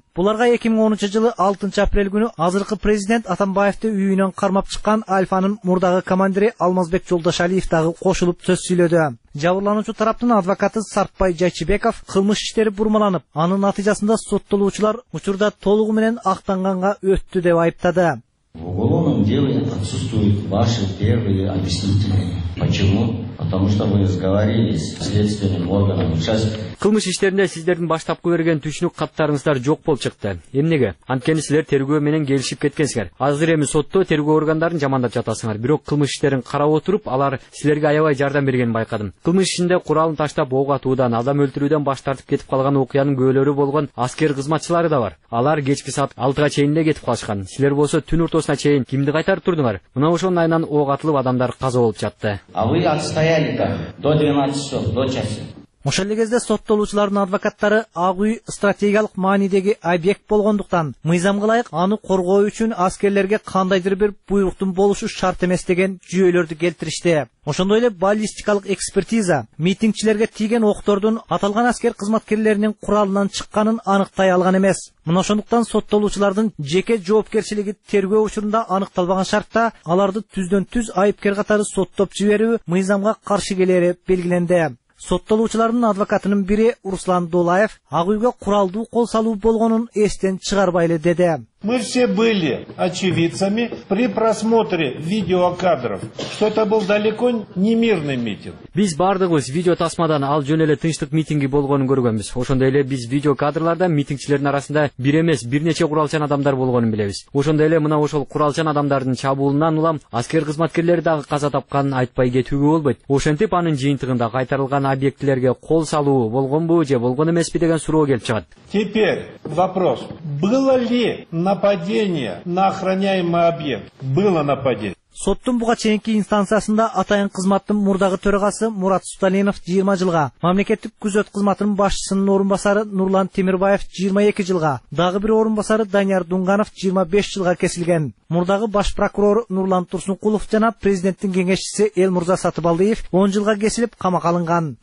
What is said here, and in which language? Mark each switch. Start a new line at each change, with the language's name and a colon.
Kyrgyz: Буларга 2010 жылы 6 апрель күнү азыркы президент Атамбаевди үйүнөн кармап чыккан Альфанын мурдагы командири Алмазбек Жолдошалиев дагы кошулуп сөз сүйлөдү. Жабырлануучу тараптын адвокаты Сартбай Жайчыбеков кылмыш иштери бурмаланып, анын натыйжасында соттолуучулар учурда толугу менен актанганга өттү деп айыптады.
Russian: В уголовном деле отсутствуют ваши первые объяснительные. Почему? Потому что вы сговорились с следственным органом. Сейчас...
Kyrgyz: Кылмыш иштеринде сиздердин баштапкы берген түшүнүк каттарыңыздар жок болуп чыкты. Эмнеге? Анткени силер тергөө менен келишип кеткенсиңер. Азыр эми сотто тергөө органдарын жамандап жатасыңар. Бирок кылмыш иштерин карап отуруп, алар силерге аябай жардам бергенин байкадым. Кылмыш ишинде куралын таштап оок атуудан, адам өлтүрүүдөн баш тартып кетип калган окуянын күөлөрү болгон аскер кызматчылары да бар. Алар кечки саат 6га чейин эле кетип калышкан. Силер болсо түн ортосуна чейин кимди кайтарып турдуңар? Мына ошонун айынан оок атылып адамдар каза болуп жатты.
Russian: А вы отстояли до 12 часов, до часа.
Kyrgyz: Ошол кезде соттолуучулардын адвокаттары Ак үй стратегиялык маанидеги объект болгондуктан мыйзамга ылайык аны коргоо үчүн аскерлерге кандайдыр бир буйруктун болушу шарт эмес деген жүйөлөрдү келтиришти. Ошондой эле баллистикалык экспертиза митингчилерге тийген октордун аталган аскер кызматкерлеринин куралынан чыкканын аныктай алган эмес. Мына ошондуктан соттолуучулардын жеке жоопкерчилиги тергөө учурунда аныкталбаган шартта аларды түздөн түз айыпкер катары соттоп жиберүү мыйзамга каршы келери белгиленди. Соттолуучулардын адвокатынын бири Руслан Дулаев Ак үйгө куралдуу кол салуу болгонун эстен чыгарбай эле деди.
Russian: Мы все были очевидцами при просмотре видеокадров, что это был далеко не мирный митинг.
Kyrgyz: Биз бардыгыбыз видео тасмадан ал жөн эле тынчтык митинги болгонун көргөнбүз. Ошондой эле биз видеокадрларда митингчилердин арасында бир эмес, бир нече куралчан адамдар болгонун билебиз. Ошондой эле мына ошол куралчан адамдардын чабуулунан улам аскер кызматкерлери дагы каза тапканын айтпай кетүүгө болбойт. Ошентип анын жыйынтыгында кайтарылган объектилерге кол салуу болгонбу же болгон эмеспи деген суроо келип чыгат.
Russian: Теперь вопрос. Было ли нападение на охраняемый объект? Было нападение.
Kyrgyz: Соттун буга чейинки инстанциясында атайын кызматтын мурдагы төрагасы Мурат Сутанинов 20 жылга, мамлекеттик күзөт кызматынын башчысынын орун басары Нурлан Темирбаев 22 жылга, дагы бир орун басары Данияр Дунганов 25 жылга кесилген. Мурдагы баш прокурор Нурлан Турсункулов жана президенттин кеңешчиси Элмурза Сатыбалдиев 10 жылга кесилип камакка алынган.